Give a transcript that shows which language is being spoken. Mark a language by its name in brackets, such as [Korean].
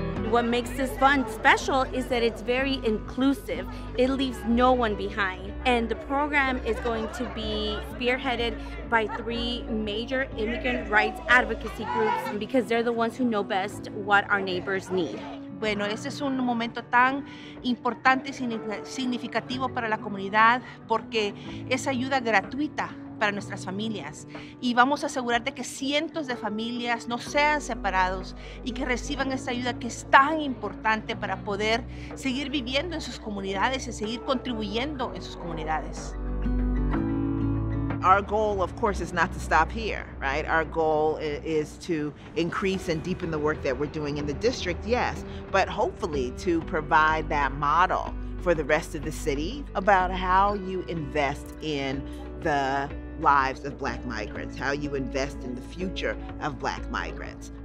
[English] What makes this fund special is that it's very inclusive. It leaves no one behind. And the program is going to be spearheaded by three major immigrant rights advocacy groups because they're the ones who know best what our neighbors need. [Spanish] Bueno, este es un momento tan importante y significativo para la comunidad porque es ayuda gratuita para nuestras familias y vamos a asegurar de que cientos de familias no sean separados y que reciban esta ayuda que es tan importante para poder seguir viviendo en sus comunidades y seguir contribuyendo en sus comunidades. [English] Our goal, of course, is not to stop here, right? Our goal is to increase and deepen the work that we're doing in the district, yes, but hopefully to provide that model for the rest of the city about how you invest in the lives of Black migrants, how you invest in the future of Black migrants.